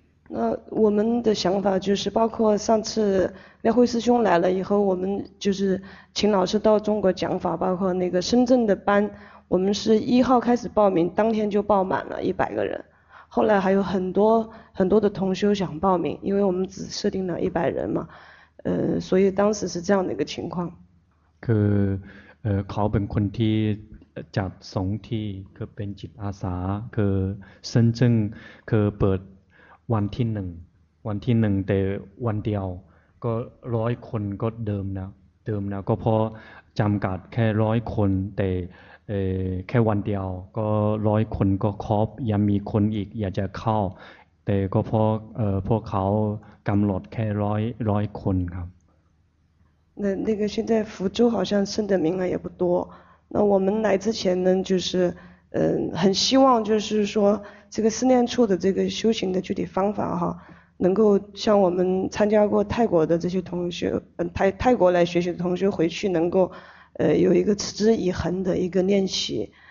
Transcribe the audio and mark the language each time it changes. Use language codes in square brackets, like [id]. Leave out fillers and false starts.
[zh] 那我们的想法就是包括上次廖慧师兄来了以后我们就是请老师到中国讲法包括那个深圳的班我们是一号开始报名当天就报满了100个人后来还有很多很多的同修想报名因为我们只设定了100人嘛所以当时是这样的一个情况 [th] คือเขาเป็นคนที่จัดสองที่คือเป็นจิตอาสาคือ深圳คือเปิดวันที่หนึ่งวันที่หนึ่งแต่วันเดียวก็ร้อยคนก็เดิมนะก็พอจำกัดแค่ร้อยคนแต่แค่วันเดียวก็ร้อยคนก็ครบยังมีคนอีกอยากจะเข้าแต่ก็พวกเขากำหนดแค่ร้อยคนครับ [zh] 那个现在福州好像剩的名额也不多那我们来之前呢就是很希望就是说这个思念处的这个修行的具体方法哈能够像我们参加过泰国的这些同学泰国来学习的同学回去能够有一个持之以恒的一个练习